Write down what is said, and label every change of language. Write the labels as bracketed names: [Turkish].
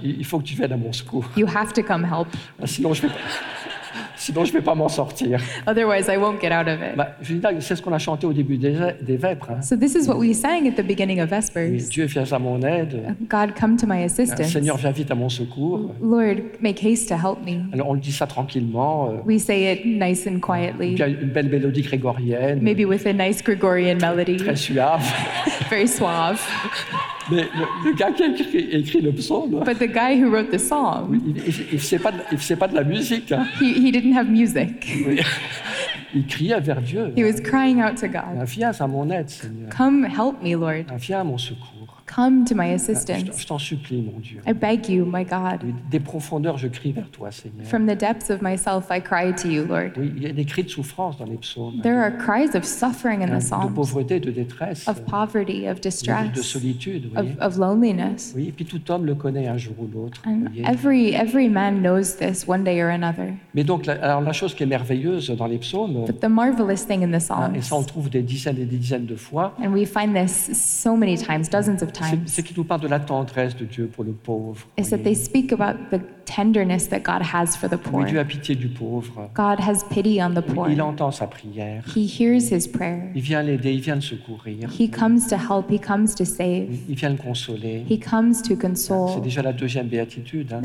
[French] Il faut que tu viennes à mon secours. [English] You have to come help. [French] Sinon, je vais pas m'en sortir. [English] Otherwise, I won't get out of it. [French] C'est ce qu'on a chanté au début des Vêpres. [English] So this is what we sang at the beginning of Vespers. [French] Oui, Dieu, viens à mon aide. [English] God, come to my assistance. [French] Seigneur, viens vite à mon secours. [English] Lord, make haste to help me. [French] Alors, on le dit ça tranquillement. [English] We say it nice and quietly. [French] Puis, une belle mélodie grégorienne. [English] Maybe with a nice Gregorian melody. [French] Très suave. [English] Very suave. [French] Mais le gars qui a écrit le psaume. [English] But the guy who wrote the psalm. [French] Oui, il faisait pas de la musique. [English] Hein. He didn't have music. [French] Oui. Il criait vers Dieu. [English] He was crying out to God. [French] Viens à mon aide, Seigneur. [English] Come help me, Lord. [French] Viens à mon secours. [English] Come to my assistance. [French] Je t'en supplie, mon Dieu. [English] I beg you, my God. [French] Des profondeurs, je crie vers toi, Seigneur. [English] From the depths of myself, I cry to you, Lord. [French] Oui, il y a des cris de souffrance dans les psaumes. [English] There are cries of suffering in the psalms. [French] De pauvreté, de détresse. [English] Of poverty, of distress. [French] De solitude, [English] oui. Of loneliness. [French] Oui, et puis tout homme le connaît un jour ou l'autre. [English] And every man knows this one day or another. [French] Mais donc, alors la chose qui est merveilleuse dans les psaumes. [English] But the marvelous thing in the psalms. [French] Et ça, on le trouve des dizaines et des dizaines de fois. [English] And we find this so many times, dozens of times. [French] C'est qu'il nous parle de la tendresse de Dieu pour le pauvre. [English] Is that they speak about the tenderness that God has for the poor. [French] Oui, Dieu a pitié du pauvre. [English] God has pity on the poor. [French] Il entend sa prière. [English] He hears his prayer. [French] Il vient l'aider, il vient le secourir. [English] He comes to help, he comes to save. [French] Il vient le consoler. [English] He comes to console. [French] C'est déjà la deuxième béatitude. Hein.